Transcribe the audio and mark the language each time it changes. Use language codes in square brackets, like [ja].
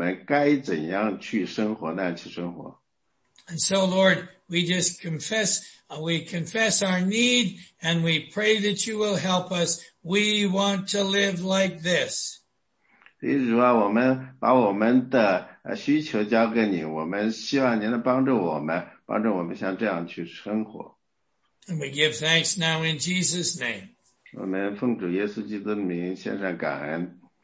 [zh] 主啊，我们非常感谢您，不仅是给了我们这样一个生命，也帮助我们去做我们该怎样去生活那样去生活。 [en] And so, Lord, we confess our need, and we pray that you will help us. We want to live like this. [zh] 主啊，我们把我们的需求交给你，我们希望您能帮助我们，帮助我们像这样去生活。 [en] And we give thanks now in Jesus' name. [zh] 我们奉主耶稣基督的名献上感恩。